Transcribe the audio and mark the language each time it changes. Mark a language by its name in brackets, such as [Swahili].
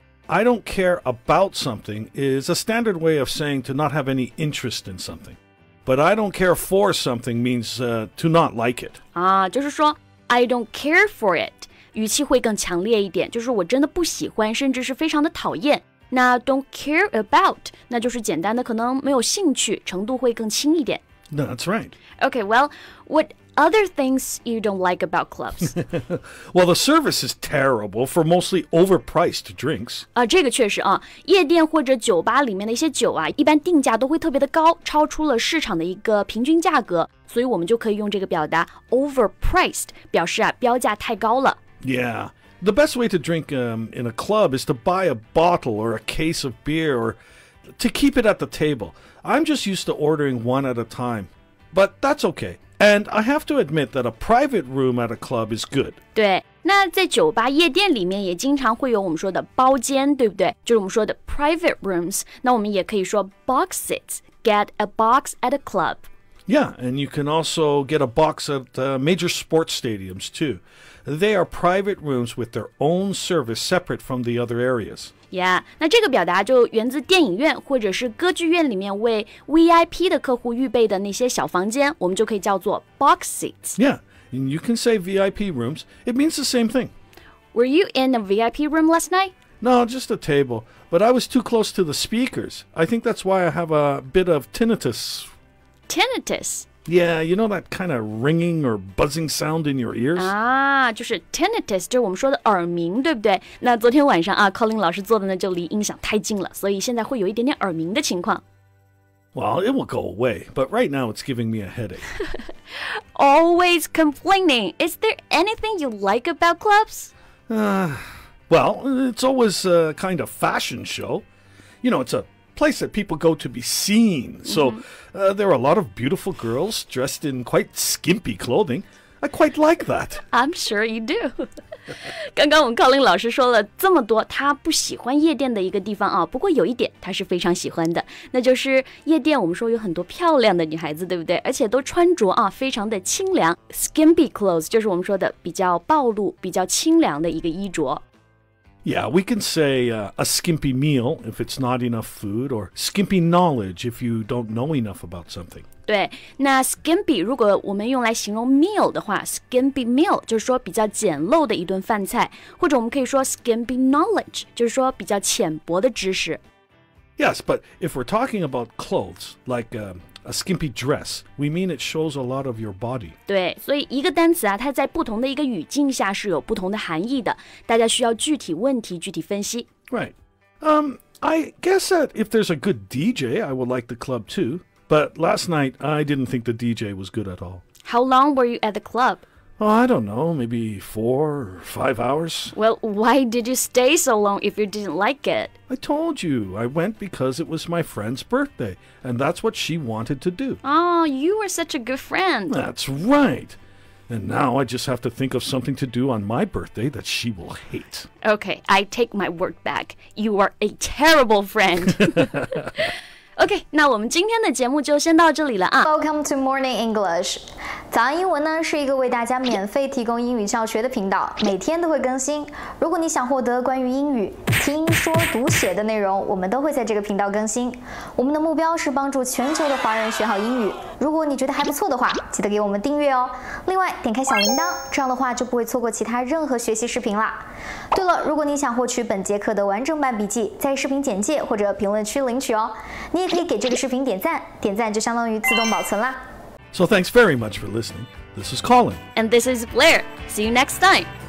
[English] I don't care about something is a standard way of saying to not have any interest in something. But I don't care for something means, to not like it. [Chinese] 啊，就是说 [English] I don't care for it. [Chinese] 语气会更强烈一点，就是我真的不喜欢，甚至是非常的讨厌。那 don't care about, 那就是简单的可能没有兴趣，程度会更轻一点。 [English] No, that's right. Okay, well, what other things you don't like about clubs? Well, the service is terrible for mostly overpriced drinks. [Chinese] 啊，这个确实啊，夜店或者酒吧里面的一些酒啊，一般定价都会特别的高，超出了市场的一个平均价格，所以我们就可以用这个表达 overpriced, 表示啊，标价太高了。 [English] Yeah, the best way to drink, in a club is to buy a bottle or a case of beer or to keep it at the table. I'm just used to ordering one at a time, but that's okay. And I have to admit that a private room at a club is good. [Chinese] 对，那在酒吧夜店里面也经常会有我们说的包间，对不对？就是我们说的 private rooms. 那我们也可以说 box seats. [English] Get a box at a club. Yeah, and you can also get a box at major sports stadiums too. They are private rooms with their own service separate from the other areas. [Chinese] Yeah, 那这个表达就源自电影院或者是歌剧院里面为 VIP 的客户预备的那些小房间，我们就可以叫做 box seats. [English] Yeah, and you can say VIP rooms. It means the same thing. Were you in a VIP room last night? No, just a table. But I was too close to the speakers. I think that's why I have a bit of tinnitus. Tinnitus? Yeah, you know that kind of ringing or buzzing sound in your ears? [Chinese] Ah, 就是 tinnitus, 就是我们说的耳鸣，对不对？那昨天晚上啊 ,Colin 老师坐的呢就离音响太近了，所以现在会有一点点耳鸣的情况。 [English] Well, it will go away, but right now it's giving me a headache. Always complaining. Is there anything you like about clubs? Well, it's always a kind of fashion show. You know, it's a place that people go to be seen. So, there are a lot of beautiful girls dressed in quite skimpy clothing. I quite like that. I'm sure you do. [Chinese] 刚刚我们 Colin 老师说了这么多他不喜欢夜店的一个地方啊，不过有一点他是非常喜欢的，那就是夜店我们说有很多漂亮的女孩子，对不对？而且都穿着啊，非常的清凉。 Skimpy clothes 就是我们说的比较暴露比较清凉的一个衣着。 [English] Yeah, we can say a skimpy meal if it's not enough food, or skimpy knowledge if you don't know enough about something. [Chinese] 对，那 skimpy 如果我们用来形容 meal 的话 ，skimpy meal 就是说比较简陋的一顿饭菜，或者我们可以说 skimpy knowledge 就是说比较浅薄的知识。 [English] Yes, but if we're talking about clothes, like a skimpy dress, we mean it shows a lot of your body. [Chinese] 对，所以一个单词啊，它在不同的一个语境下是有不同的含义的，大家需要具体问题具体分析。 [English] Right. I guess that if there's a good DJ, I would like the club too. But last night, I didn't think the DJ was good at all. How long were you at the club? Oh, I don't know, maybe 4 or 5 hours. Well, why did you stay so long if you didn't like it? I told you, I went because it was my friend's birthday, and that's what she wanted to do. Oh, you were such a good friend. That's right. And now I just have to think of something to do on my birthday that she will hate. Okay, I take my word back. You are a terrible friend. [Chinese] OK, 那我们今天的节目就先到这里了啊。 [English] Welcome to Morning English. [Chinese] 早安英文呢是一个为大家免费提供英语教学的频道，每天都会更新。如果你想获得关于英语听说读写的内容，我们都会在这个频道更新。我们的目标是帮助全球的华人学好英语。如果你觉得还不错的话，记得给我们订阅哦。另外，点开小铃铛，这样的话就不会错过其他任何学习视频了。对了，如果你想获取本节课的完整版笔记，在视频简介或者评论区领取哦。你也可以给这个视频点赞，点赞就相当于自动保存啦。 [English] So thanks very much for listening. This is Colin. And this is Blair. See you next time.